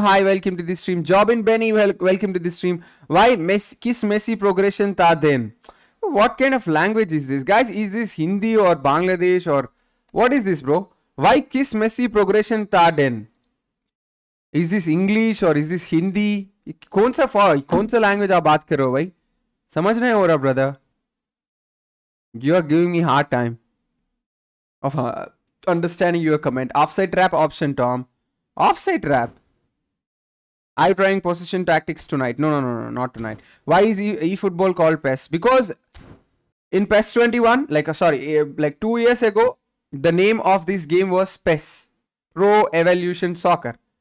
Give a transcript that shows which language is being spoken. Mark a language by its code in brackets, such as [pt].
[en] Hi, welcome to the stream. Jobin Benny, welcome to the stream. Why kiss Messi progression ta den? What kind of language is this? Guys, is this Hindi or Bangladesh or... What is this, bro? Why kiss Messi progression ta den? Is this English or is this Hindi? [hi] कौनसा language आप बात कर रहे हो भाई? समझ रहे हो रा, brother? [en] You are giving me hard time of understanding your comment. Offside trap option, Tom. Offside trap. I trying position tactics tonight. No, not tonight. Why is eFootball called PES? Because in PES 21, like 2 years ago, the name of this game was PES, Pro Evolution Soccer.